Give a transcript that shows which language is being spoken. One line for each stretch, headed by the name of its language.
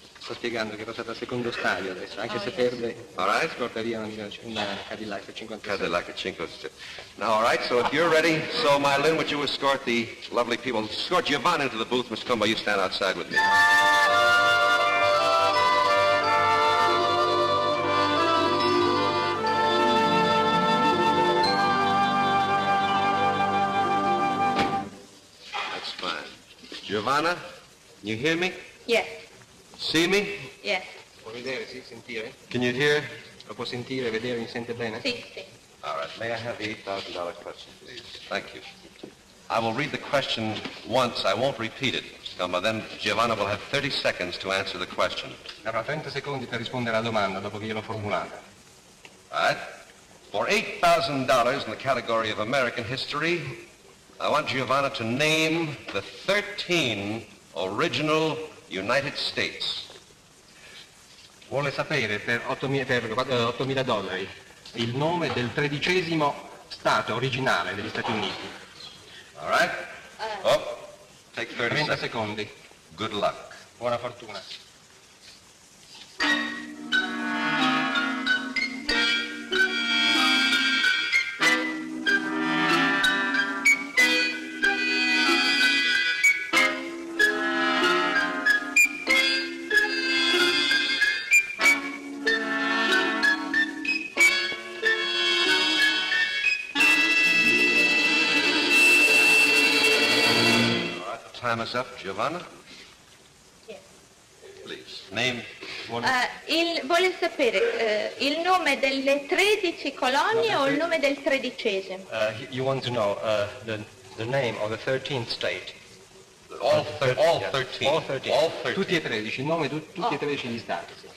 Italian: Sto spiegando che è passata al secondo stadio adesso, anche se perde,
English: all right.
Italian: Scorta via una Cadillac 56. Cadillac 56.
English: Now, all right, so if you're ready, so, Mylin, would you escort the lovely people? Escort Giovanna into the booth. Mr. Combo, you stand outside with me. That's fine. Giovanna, you hear me? Yes. See me? Yes.
Italian: Può vedere, sì, sentire.
English: Can you hear?
Italian: Lo può sentire, vedere, mi sente bene? Sì, sì.
English: All right, may I have the $8,000 question, please? Thank you. I will read the question once, I won't repeat it. Scamba, then Giovanna will have 30 seconds to answer the question.
Italian: Avrà 30 secondi per rispondere alla domanda dopo che gliel'ho formulata.
English: All right. For $8,000 in the category of American history, I want Giovanna to name the 13 original United States.
Italian: Vuole sapere per $8,000 il nome del tredicesimo stato originale degli Stati Uniti.
English: All right. Oh, take 30
Italian: secondi.
English: Good luck.
Italian: Buona fortuna.
English: Time is up, Giovanna. Yes. Please, name.
Italian: Vuole sapere il nome delle 13 colonie o il nome del tredicesimo?
English: You want to know the name of the 13th state. All 13.
Italian: Tutti e 13, il nome di tutti e 13 gli stati.